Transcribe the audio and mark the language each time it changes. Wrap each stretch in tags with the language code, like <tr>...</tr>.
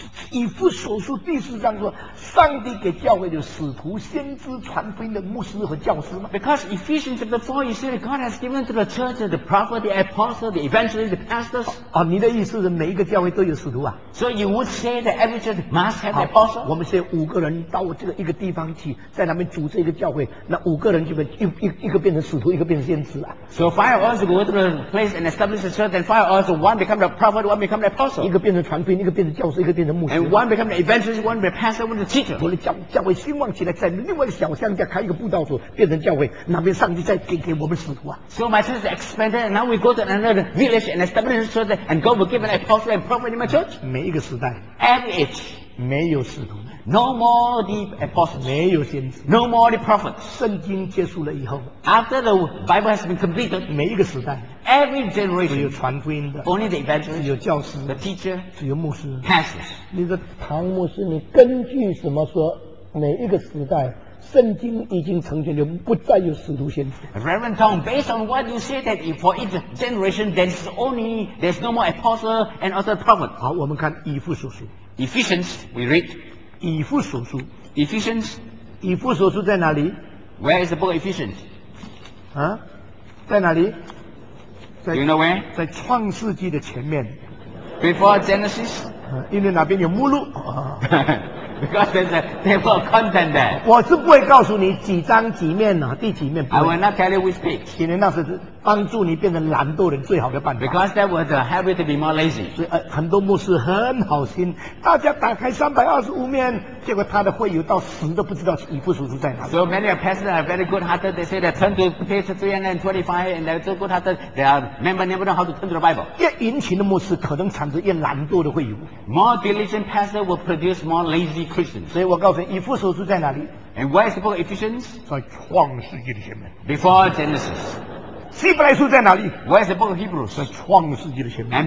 <zh>以弗所书第四章说，上帝给教会有使徒、先知、传福音的牧师和教师吗？</zh> <en>Because Ephesians chapter 4, you said God has given to the church the prophet, the apostle, the evangelist, the pastors.</en> <zh>哦，你的意思是每一个教会都有使徒啊？</zh> <en>So you would say that every church must have apostle?</en> <zh>我们现在五个人到这个一个地方去，在那边组织一个教会，那五个人就会一个变成使徒，一个变成先知啊。</zh> <en>So five of us go to the place and establish a church, and five of us, one become the prophet, one become the apostle.</en> <zh>一个变成传福音，一个变成教师，一个变成牧师。</zh> <en>And one becomes an evangelist, one becomes a pastor, one becomes a teacher.</en> <zh>我的教会兴旺起来，在另外的小乡下开一个布道所，变成教会，那边上帝再给我们使徒啊。</zh> <en>So my church expanded, and now we go to another village and establish a church, and God will give an apostle and prophet in my church.</en> <zh>每一个时代</zh> <en>，every age，</en> <zh>没有使徒</zh> <en>，no more the apostles，</en> <zh>没有先知</zh> <en>，no more the prophets。</en> <zh>圣经结束了以后</zh> <en>，after the Bible has been completed，</en> <zh>每一个时代</zh> <en>，every generation，</en> <zh>只有传福音的</zh> <en>，only the evangelist，</en> <zh>只有教师</zh> <en>，the teacher，</en> <zh>只有牧师</zh> <en>，pastors。</en> <zh>你的唐牧师，你根据什么说每一个时代圣经已经成全了，不再有使徒先知</zh> <en>？Reverend Tong, based on what you say that for each generation there's only there's no more apostle and other prophet.</en> <zh>好，我们看以弗所书。</zh> <en>Ephesians, we read.</en> <zh>以弗所书。</zh> <en>Ephesians.</en> <zh>以弗所书在哪里</zh> <en>？Where is the book of Ephesians?</en> <zh>啊，在哪里？</zh> <en>在。Do you know where?</en> <zh>在创世纪的前面。</zh> <en>Before Genesis.</en> <zh>因为那边有目录、</zh> <en>Because there's a table of content there.</en> <zh>我是不会告诉你几章几面、第几面。</zh> <en>I will not tell you which page.</en> <zh>因为那是帮助你变成懒惰人最好的办法。</zh> <en>Because that was a habit to be more lazy.</en> <zh>所以、很多牧师很好心，大家打开325面，结果他的会友到死都不知道以弗所书在哪里。</zh> <en>So many of pastors are very good hearted. They say they turn to page 325 and they're so good hearted. Their member never know how to turn to the Bible.</en> <zh>越殷勤的牧师可能产生越懒惰的会友。</zh> <en>More diligent pastor will produce more lazy Christians.</en> <zh>所以我告诉你，以弗所书在哪里？</zh> <en>And where is the book of Ephesians?</en> <zh>在创世纪的前面。</zh> <en>Before Genesis.</en> <zh>希伯来书在哪里？</zh> <en>Where's the book of Hebrews?</en> <zh>在创世纪的前面。</zh>